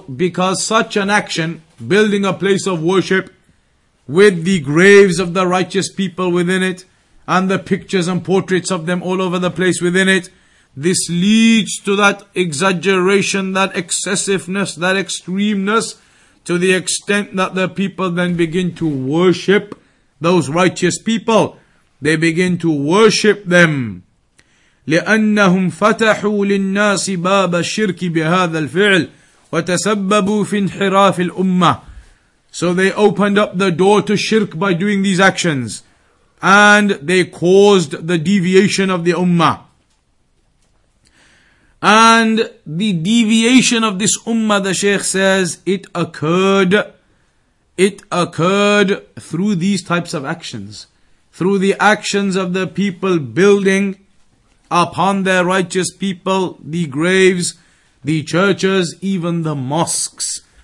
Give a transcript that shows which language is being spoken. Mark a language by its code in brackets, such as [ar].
[en] Because such an action, building a place of worship with the graves of the righteous people within it and the pictures and portraits of them all over the place within it, this leads to that exaggeration, that excessiveness, that extremeness, to the extent that the people then begin to worship those righteous people. They begin to worship them. [ar] لأنهم فتحوا للناس باب الشرك بهذا الفعل وتسببوا في انحراف الأمة. [en] So they opened up the door to shirk by doing these actions, and they caused the deviation of the Ummah. And the deviation of this Ummah, the Shaykh says, it occurred through these types of actions, through the actions of the people building upon their righteous people the graves, the churches, even the mosques.